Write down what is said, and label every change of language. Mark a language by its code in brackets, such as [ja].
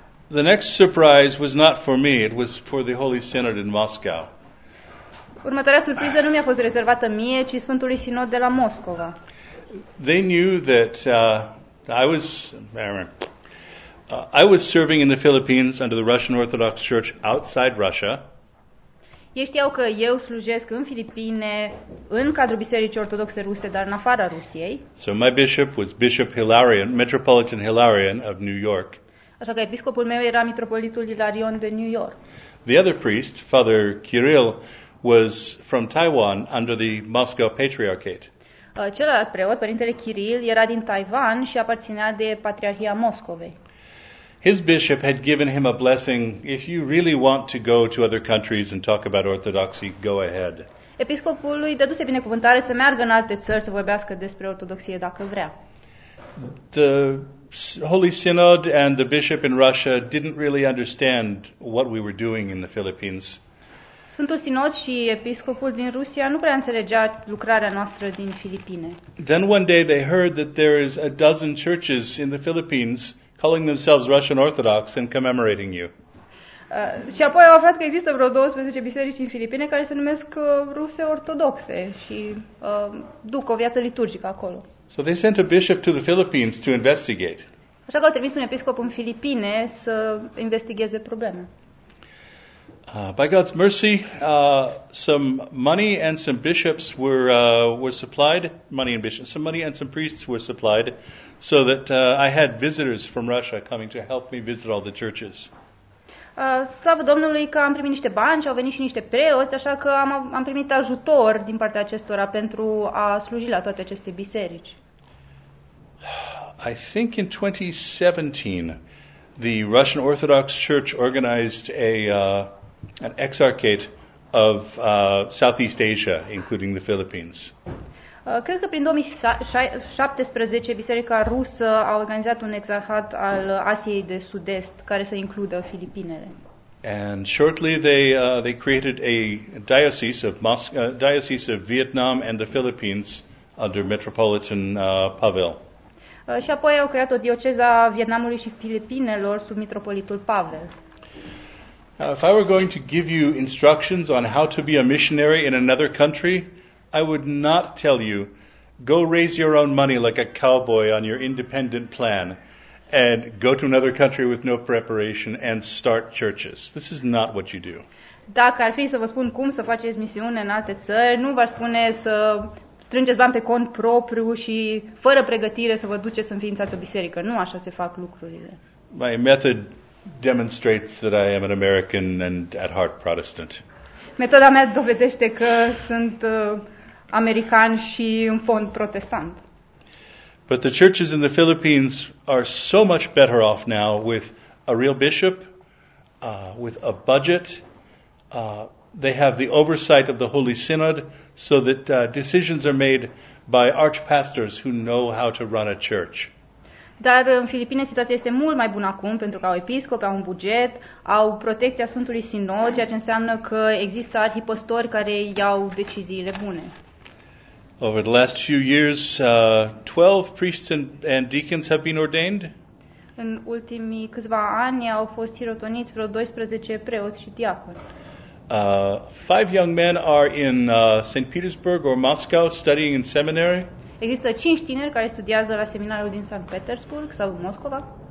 [en] The next surprise was not for me, it was for the Holy Synod in Moscow. [ro] Următoarea surpriză nu mi-a fost rezervată mie, ci Sfântului Sinod de la Moscova. [en] They knew that I was serving in the Philippines under the Russian Orthodox Church outside Russia. [ro] Ei știau că eu slujesc în Filipine, în cadrul Bisericii Ortodoxe Ruse, dar în afara Rusiei. [en] So my bishop was Bishop Hilarion, Metropolitan Hilarion of New York. [ro] Așa că episcopul meu era Mitropolitul Hilarion de New York. [en] The other priest, Father Kirill, was from Taiwan under the Moscow Patriarchate. [ro] Celălalt preot, Părintele Kirill, era din Taiwan și aparținea de Patriarhia Moscovei. [en] His bishop had given him a blessing, if you really want to go to other countries and talk about orthodoxy, go ahead. [ro] Episcopul lui dăduse binecuvântare să meargă în alte țări să vorbească despre ortodoxie dacă vrea. [en] The Holy Synod and the bishop in Russia didn't really understand what we were doing in the Philippines. [ro] Sfântul Sinod și episcopul din Rusia nu prea înțelegea lucrarea noastră din Filipine. [en] Then one day they heard that there is a dozen churches in the Philippines calling themselves Russian Orthodox and commemorating you. [ro] Și apoi au aflat că există vreo 12 biserici în Filipine care se numesc Ruse Ortodoxe și duc o viață liturgică acolo. [en] So they sent a bishop to the Philippines to investigate. [ro] Așa că au trimis un episcop în Filipine să investigeze probleme. [en] By God's mercy, some money and some bishops were supplied, money and bishops, some money and some priests were supplied, so that I had visitors from Russia coming to help me visit all the churches. [ro] Slavă Domnului că am primit niște bani și au venit și niște preoți, așa că am primit ajutor din partea acestora pentru a sluji la toate aceste biserici. [en] I think in 2017, the Russian Orthodox Church organized an exarchate of Southeast Asia, including the Philippines. [ro] Cred că prin 2017 Biserica Rusă a organizat un exarhat al Asiei de Sud-Est care să includă Filipinele. [en] And shortly they created a diocese of diocese of Vietnam and the Philippines under Metropolitan Pavel. [ro] Și apoi au creat o dioceză a Vietnamului și Filipinelor sub Mitropolitul Pavel. [en] Now, if I were going to give you instructions on how to be a missionary in another country, I would not tell you, go raise your own money like a cowboy on your independent plan and go to another country with no preparation and start churches. This is not what you do. [ro] Dacă ar fi să vă spun cum să faceți misiune în alte țări, nu v-aș spune să strângeți bani pe cont propriu și fără pregătire să vă duceți să înființați o biserică. Nu așa se fac lucrurile. [en] My method demonstrates that I am an American and at heart Protestant. [ro] Metoda mea dovedește că sunt american și în fond protestant. [en] But the churches in the Philippines are so much better off now with a real bishop, with a budget. They have the oversight of the Holy Synod, so that decisions are made by archpastors who know how to run a church. [ro] Dar în Filipine situația este mult mai bună acum, pentru că au episcopi, au un buget, au protecția Sfântului Sinod, ceea ce înseamnă că există arhipăstori care iau deciziile bune. [en] Over the last few years, 12 priests and deacons have been ordained. [ro] În ultimii câțiva ani au fost hirotoniți vreo 12 preoți și diaconi. [en] Five young men are in St. Petersburg or Moscow studying in seminary. [ro] Există 5 tineri care studiază la seminariul din Sankt Petersburg sau Moscova.